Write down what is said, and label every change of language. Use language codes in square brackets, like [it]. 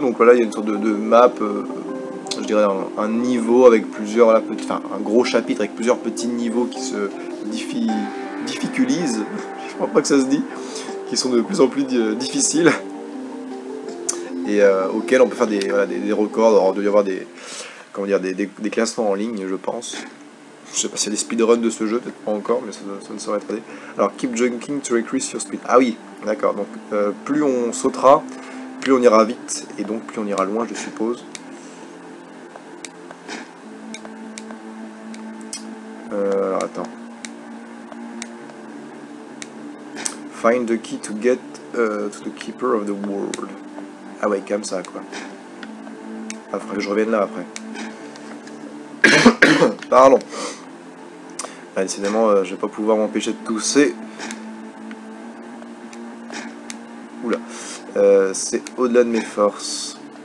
[fr] Donc voilà, il y a une sorte de map, je dirais un niveau avec plusieurs, enfin un gros chapitre avec plusieurs petits niveaux qui se difficulisent. Je crois pas que ça se dit. Qui sont de plus en plus difficiles. Et auxquels on peut faire des records. Alors, il doit y avoir des classements en ligne, je pense. Je sais pas s'il y a des speedruns de ce jeu, peut-être pas encore, mais ça ne saurait tarder. Alors, [en] keep jumping to increase your speed. [fr] Ah oui, d'accord. Donc, plus on sautera, plus on ira vite, et donc plus on ira loin, je suppose. Alors, attends. [en] Find the key to get to the keeper of the world. [fr] Ah ouais, comme ça, quoi. Ah, faudrait que je revienne là, après. Parlons. Là, décidément, je vais pas pouvoir m'empêcher de tousser. Oula. C'est au-delà de mes forces.